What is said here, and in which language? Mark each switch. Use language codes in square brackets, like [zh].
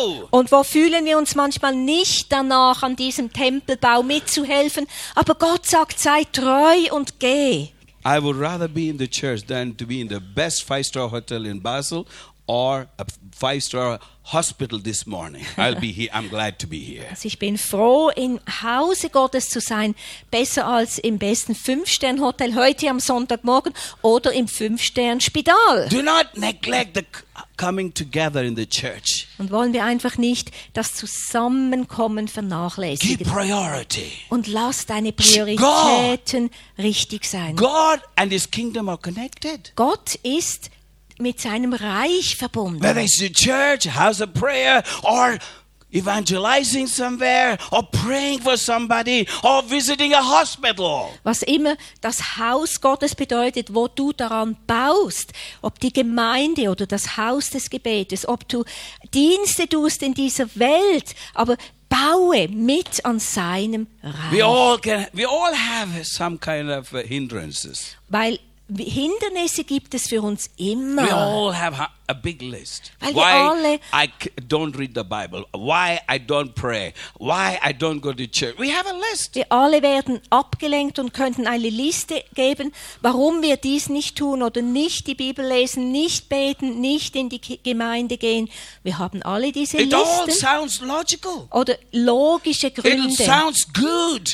[de] Und wo fühlen wir uns manchmal nicht danach an diesem Tempel? Bau mitzuhelfen, aber Gott sagt, sei treu und geh. [en] I would rather be in the church than to be in the best 5-star hotel in Basel or a 5-star hospital this morning. I'll be here. I'm glad to be here. [de] Also ich bin froh, im Hause Gottes zu sein, besser als im besten 5-Stern-Hotel heute am Sonntagmorgen oder im 5-Stern-Spital. [en] Do not neglect the coming together in the church. [de] Und wollen wir einfach nicht das Zusammenkommen vernachlässigen. [en] Give priority. [de] Und lass deine Prioritäten richtig sein. [en] God and his kingdom are connected. [de] Gott ist mit seinem Reich verbunden. [en] Whether it's the church, house of prayer, or evangelizing somewhere, or praying for somebody, or visiting a hospital. [de] Was immer das Haus Gottes bedeutet, wo du daran baust, ob die Gemeinde oder das Haus des Gebetes, ob du Dienste tust in dieser Welt, aber baue mit an seinem Reich. [en] We all have some kind of hindrances. [de] Weil Hindernisse gibt es für uns immer. [en] We all have a big list. [de] Weil [en] why [de] alle, [en] I don't read the Bible, why I don't pray, why I don't go to church. We have a list. [de] Wir alle werden abgelenkt und könnten eine Liste geben, warum wir dies nicht tun oder nicht die Bibel lesen, nicht beten, nicht in die Gemeinde gehen. Wir haben alle diese [en] It [de] Listen. [en] It all sounds logical. [de] Oder logische Gründe. [en] It sounds good.